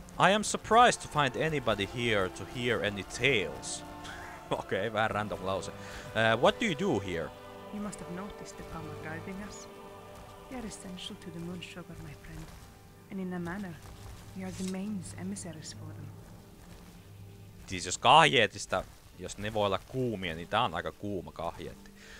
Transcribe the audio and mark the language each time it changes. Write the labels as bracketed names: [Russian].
[English] I am surprised to find anybody here to hear any tales. [Finnish] Okay, vähän random lause. [English] What do you do here? You must have noticed the palmer guiding us. We are essential to the moon sugar, my friend. And in a manner, we are the main emissaries for them. [Finnish] Siis jos kahjeetista, jos ne voi olla kuumia, niin tää on aika kuuma kahjeetti.